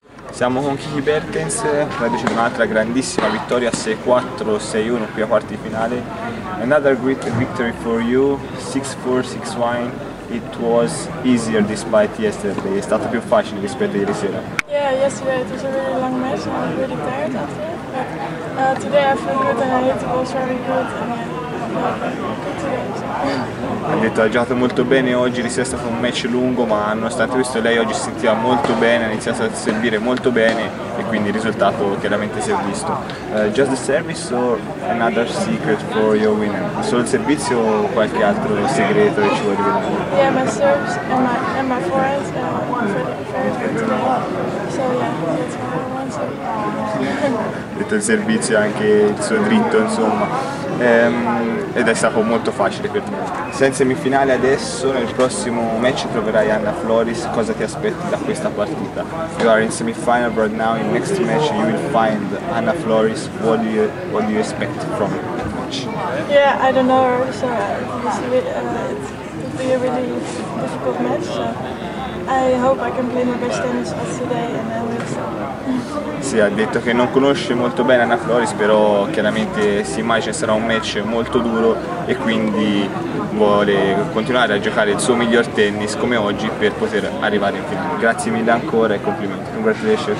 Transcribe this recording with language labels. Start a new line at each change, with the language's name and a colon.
Italian: Siamo con Kiki Bertens, reduce di un'altra grandissima vittoria 6-4, 6-1 qui a quarti finale.
English: Another great victory for you, 6-4, 6-1. It was easier despite yesterday.
Italian: È stato più facile rispetto a ieri sera.
English: Yeah, yesterday it was a really long match and I was really tired after. But today I feel good and I hit the ball very good and
Italian: Ha detto ha giocato molto bene oggi, ieri sera è stato un match lungo, ma nonostante questo lei oggi si sentiva molto bene, ha iniziato a servire molto bene e quindi il risultato chiaramente si è visto.
English: Just the service or another secret for your winner?
Italian: Solo il servizio o qualche altro segreto che ci vuoi dire?
English: Yeah, my serves and my forehand are very good today. So yeah, that's my one.
Italian: Ha detto il servizio e anche il suo dritto, insomma. Ed è stato molto facile per te. Sei in semifinale adesso, nel prossimo match troverai Anna Floris. Cosa ti aspetti da questa partita?
English: You are in semifinal right now, in next match you will find Anna Floris. What do you expect from that match? Yeah, I don't know, so it's a really difficult match. I hope I can play my best tennis today and I will.
Italian: Sì, ha detto che non conosce molto bene Anna Floris, però chiaramente si immagina sarà un match molto duro e quindi vuole continuare a giocare il suo miglior tennis come oggi per poter arrivare in finale. Grazie mille ancora e complimenti.
English: Congratulations.